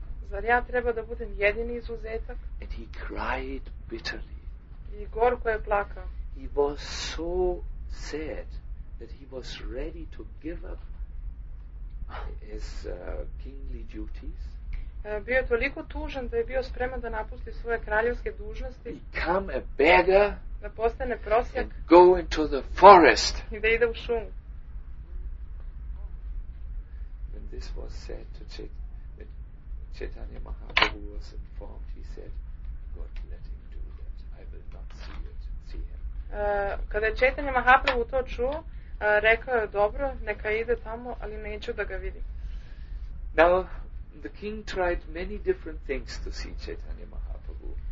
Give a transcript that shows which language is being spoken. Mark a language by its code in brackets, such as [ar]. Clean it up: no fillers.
[sr] Zar ja treba da budem jedini izuzetak? [en] And he cried bitterly. [sr] I gorko je plakao. [en] He was so sad that he was ready to give up his kingly duties. [sr] Bio je toliko tužan da je bio spreman da napusti svoje kraljevske dužnosti. [en] Become a beggar. [sr] Da postane prosjak. [en] And go into the forest. [sr] I da ide u šumu. [en] When this was said to Chaitanya Mahaprabhu was informed, he said, God let him do that. I will not see him. [sr] Kada je Chaitanya Mahaprabhu to čuo, rekao je, dobro, neka ide tamo, ali neću da ga vidim. [en] Now, the king tried many different things to see Chaitanya Mahaprabhu.